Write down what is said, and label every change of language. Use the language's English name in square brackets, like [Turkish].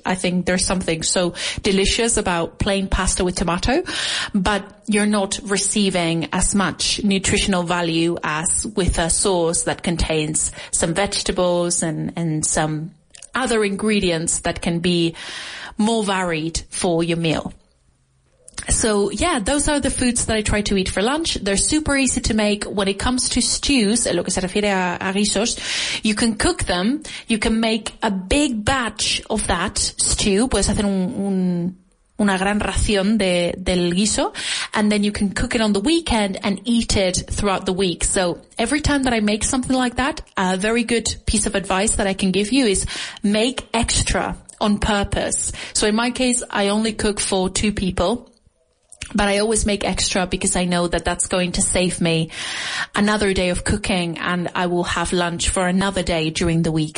[English] I think there's something so delicious about plain pasta with tomato, but you're not receiving as much nutritional value as with a sauce that contains some vegetables and some other ingredients that can be more varied for your meal. So yeah, those are the foods that I try to eat for lunch. They're super easy to make. When it comes to stews, [Spanish] lo que se refiere a guisos, [English] you can cook them. You can make a big batch of that stew. [Spanish] Puedes hacer una gran ración del guiso. [English] And then you can cook it on the weekend and eat it throughout the week. So every time that I make something like that, a very good piece of advice that I can give you is make extra on purpose. So in my case, I only cook for two people, but I always make extra because I know that that's going to save me another day of cooking and I will have lunch for another day during the week.